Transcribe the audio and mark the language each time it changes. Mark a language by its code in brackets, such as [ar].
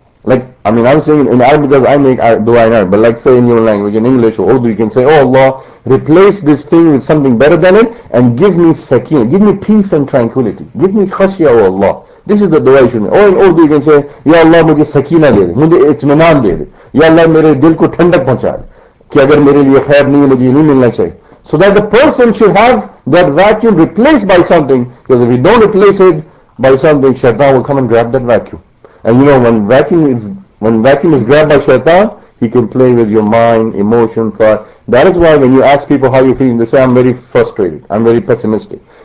[en] Like, I mean, I'm saying in Arabic because I make dua in Arabic, but like say in your language, in English or Urdu, you can say, oh Allah, replace this thing with something better than it and give me sakina, give me peace and tranquility. Give me khashya, oh Allah. This is the dua you should make. Or in Urdu, you can say, [ur] یا اللہ، مجھے سکینہ دے دے، مجھے اطمینان دے دے۔ یا اللہ، میرے دل کو ٹھنڈک پہنچا دے۔ کہ اگر میرے لیے خیر نہیں، مجھے نہیں ملنا چاہیے۔ [en] So that the person should have that vacuum replaced by something, because if you don't replace it by something, shaitan will come and grab that vacuum. And you know, when vacuum is grabbed by shaitan, he can play with your mind, emotion, thought. That is why when you ask people how you feel, they say, I'm very frustrated, I'm very pessimistic.